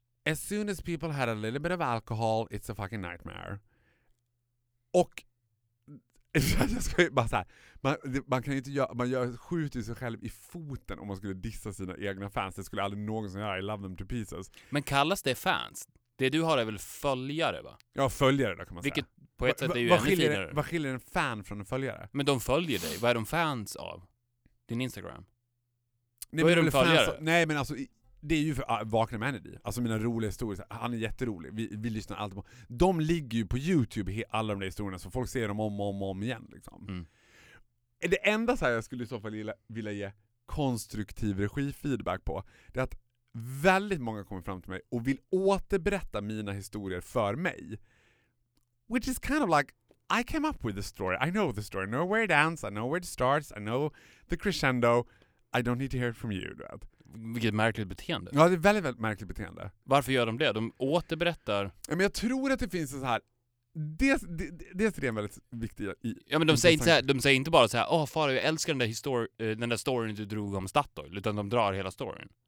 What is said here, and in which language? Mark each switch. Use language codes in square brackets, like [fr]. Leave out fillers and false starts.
[en] As soon as people had a little bit of alcohol, it's a fucking nightmare. [sv] Och jag ska ju bara så här, man kan ju inte göra, man gör, skjuter sig själv i foten om man skulle dissa sina egna fans. Det skulle aldrig någon som gör, [en] I love them to pieces. [sv] Men kallas det fans? Det du har är väl följare, va? Ja, följare då kan man vilket, säga. På ett sätt är ju vad skiljer en fan från en följare? Men de följer dig. Vad är de fans av? Din Instagram? Nej, vad är de följare? Fans av, nej, men alltså, det är ju för Vakna med Andy. Alltså mina roliga historier. Han är jätterolig. Vi lyssnar alltid på. De ligger ju på YouTube, alla de där historierna. Så folk ser dem om och om igen. Liksom. Mm. Det enda så här jag skulle i så fall vilja ge konstruktiv regifeedback på, det är att väldigt många kommer fram till mig och vill återberätta mina historier för mig. [en] Which is kind of like, I came up with the story. I know the story. I know where it ends. I know where it starts. I know the crescendo. I don't need to hear it from you. Right? [sv] Vilket märkligt beteende. Ja, det är väldigt, väldigt märkligt beteende. Varför gör de det? De återberättar. Ja, men jag tror att det finns så här. Dels är det en väldigt viktig. Ja, men de säger inte så här, de säger inte bara så här, åh, far, jag älskar den där storyn du drog om Statoil. Utan de drar hela storyn.